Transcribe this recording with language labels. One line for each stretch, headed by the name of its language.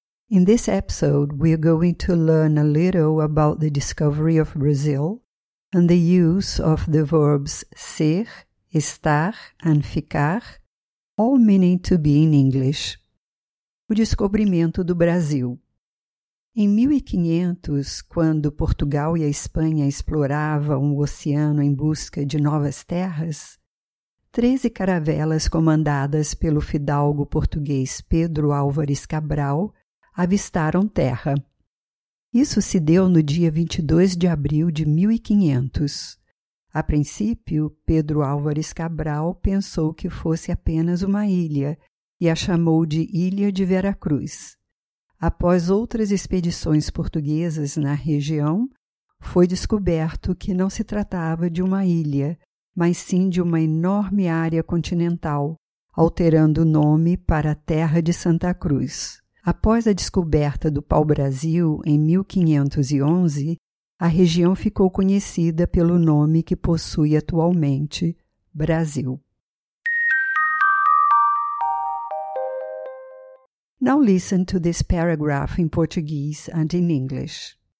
English: In this episode, we're going to learn a little about the discovery of Brazil and the use of the verbs ser, estar, and ficar, all meaning to be in English.
Portuguese: O descobrimento do Brasil. Em 1500, quando Portugal e a Espanha exploravam o oceano em busca de novas terras, 13 caravelas comandadas pelo fidalgo português Pedro Álvares Cabral avistaram terra. Isso se deu no dia 22 de abril de 1500. A princípio, Pedro Álvares Cabral pensou que fosse apenas uma ilha e a chamou de Ilha de Vera Cruz. Após outras expedições portuguesas na região, foi descoberto que não se tratava de uma ilha, mas sim de uma enorme área continental, alterando o nome para Terra de Santa Cruz. Após a descoberta do pau-brasil em 1511, a região ficou conhecida pelo nome que possui atualmente, Brasil.
English: Now listen to this paragraph in Portuguese and in English.